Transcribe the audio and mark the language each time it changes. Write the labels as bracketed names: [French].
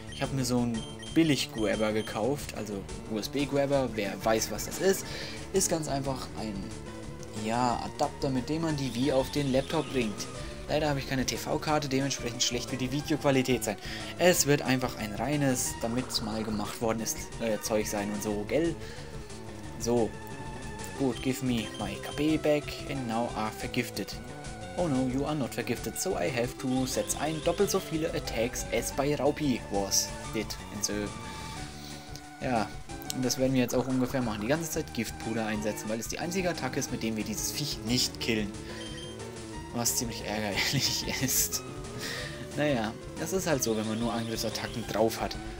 [German] Ich habe mir so einen Billig-Grabber gekauft, also USB-Grabber, wer weiß, was das ist. Ist ganz einfach ein Adapter, mit dem man die Wii auf den Laptop bringt. Leider habe ich keine TV-Karte, dementsprechend schlecht wird die Videoqualität sein. Es wird einfach ein reines, damit es mal gemacht worden ist, Zeug sein und so, gell? So. [English] Gut, give me my KP back and now are vergifted. Oh no, you are not vergifted, so I have to set [German] ein doppelt so viele [English] Attacks as by Raupi was did. And so. [German] Ja, und das werden wir jetzt auch ungefähr machen. Die ganze Zeit Giftpuder einsetzen, weil es die einzige Attacke ist, mit dem wir dieses Viech nicht killen. Was ziemlich ärgerlich ist. Naja, das ist halt so, wenn man nur Angriffsattacken drauf hat.